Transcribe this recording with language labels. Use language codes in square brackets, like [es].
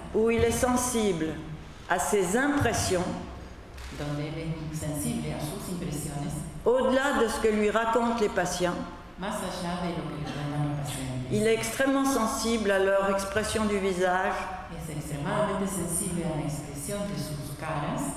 [fr] où il est sensible à ses impressions [es] donde él es sensible a sus impresiones [fr] au-delà de ce que lui racontent les patients [es] más allá de lo que le cuentan los pacientes [fr] il est extrêmement sensible à leur expression du visage [es] es extremadamente sensible a la expresión de sus caras